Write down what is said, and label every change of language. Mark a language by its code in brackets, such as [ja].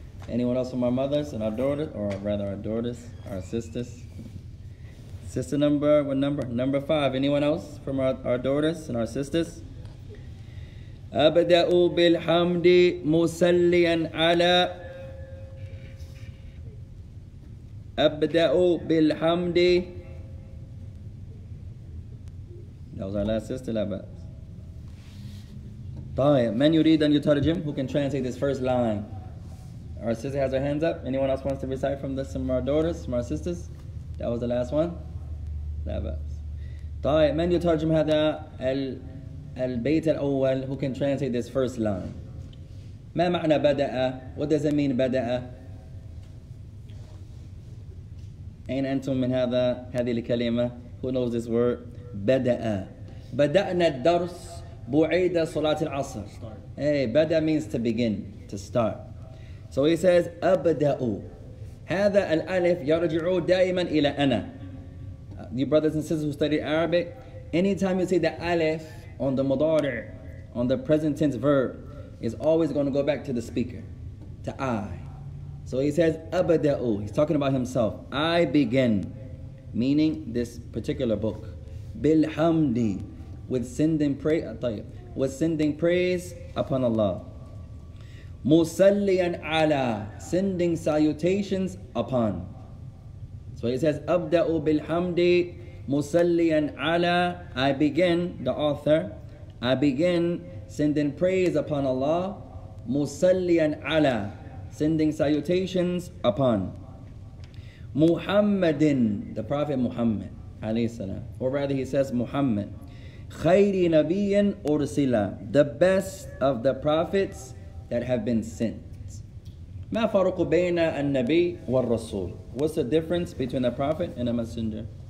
[en] Anyone else from our mothers and our daughters, or rather our daughters, our sisters? Sister number, what number? Number five. Anyone else from our daughters and our sisters? [ar] أبدأ بالحمد مصليا على أبدأ بالحمد. [en] That was our last sister, but طيب. [ar] من يريد أن يترجم? [en] Who can translate this first line? Our sister has her hands up. Anyone else wants to recite from this, from our daughters, from our sisters? That was the last one. [ar] لا بأس. طيب. من يترجم هذا البيت الأول? [en] Who can translate this first line? [ar] ما معنى بدأ? [en] What does it mean بدأ? [ar] أين أنتم من هذا هذه الكلمة? [en] Who knows this word? بدأ. [ar] بدأنا الدرس بعيد صلاة العصر. [en] Hey, بدأ means to begin, to start. So he says أبدأ. [ar] هذا الألف يرجع دائما إلى أنا. [en] You brothers and sisters who study Arabic, anytime you say the alif on the mudari, on the present tense verb, is always going to go back to the speaker, to I. So he says, أبدأ. He's talking about himself. I begin, meaning this particular book. بالحمدي, with sending praise upon Allah. [ar] مُسَلِّيًا عَلَى, [en] sending salutations upon. So he says, [ar] أبدأ بالحمدي مُسَلِّيًا عَلَى. [en] I begin, the author, I begin sending praise upon Allah. [ar] مُسَلِّيًا عَلَى, [en] sending salutations upon. Muhammadin, the Prophet Muhammad, alayhi salam. Or rather, he says Muhammad. [ar] خَيْرِ نَبِيٍ أُرْسِلَ, [en] the best of the prophets that have been sent. [ar] ما فرق بين النبي والرسول? [en] What's the difference between a prophet and a messenger?